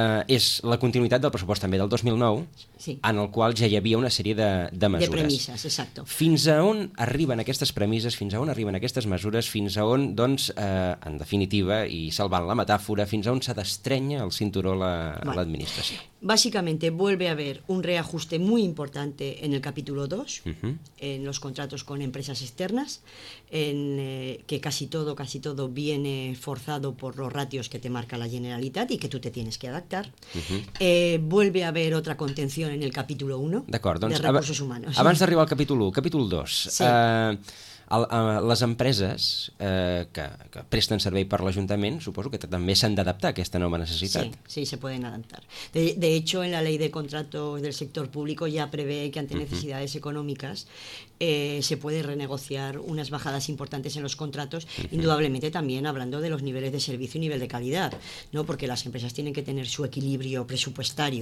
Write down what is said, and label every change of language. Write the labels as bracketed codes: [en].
[ca] És la continuïtat del pressupost també del 2009, sí. en el qual ja hi havia una sèrie de mesures. De premisses, exacto. Fins a on arriben aquestes premisses, fins a on arriben aquestes mesures, fins a on, doncs, en definitiva, i salvant la metàfora, fins a on s'ha d'estrenya el cinturó l'administració? [es] Básicamente vuelve a haber un reajuste muy importante en el capítulo 2, uh-huh. en los contratos con empresas externas, que casi todo viene forzado por los ratios que te marca la Generalitat y que tú te tienes que adaptar. Uh-huh. Vuelve a haber otra contención en el capítulo 1, [ca] d'acord, doncs, [es] de recursos humanos. [ca] Abans d'arribar al capítul 1, capítol 2... Sí. Les empreses que presten servei per l'Ajuntament, suposo que també s'han d'adaptar a aquesta nova necessitat. [es] Sí, sí, se pueden adaptar. De hecho, en la ley de contratos del sector público ya prevé que ante necesidades uh-huh. económicas se puede renegociar unas bajadas importantes en los contratos, uh-huh. indudablemente también hablando de los niveles de servicio y nivel de calidad, ¿no? Porque las empresas tienen que tener su equilibrio presupuestario.